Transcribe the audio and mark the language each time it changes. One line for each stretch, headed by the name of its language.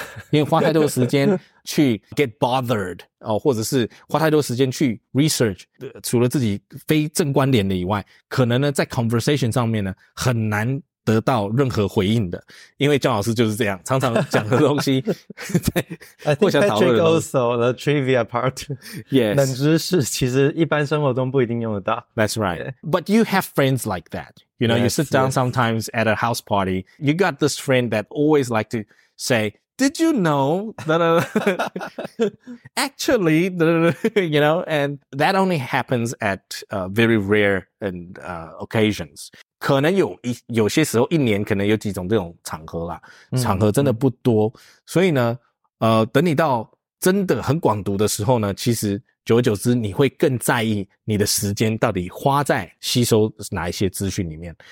Chinese: 因为花太多时间去
English: get bothered、
Chinese: 哦、或者是花太多时间去 research、除了自己非正关联的以外，可能呢在 conversation 上面呢很难得到任何回应的。因为姜老师就是这样，常常讲的东西或想讨论的东西
English: I think that's also the trivia part、 yes.
Chinese: 冷知识其实一般生活中不一定用得到。
English: That's right、yeah. But you have friends like that. You know, yes, you sit down、yes. sometimes at a house party. You got this friend that always like to sayDid you know that actually, you know, and that only happens at very rare and occasions.
Chinese: 可能有些时候一年可能有几种这种场合啦，场合真的不多。所以呢，等你到真的很广读的时候呢，其实久而久之你会更在意你的时间到底花在吸收哪一些资讯里面。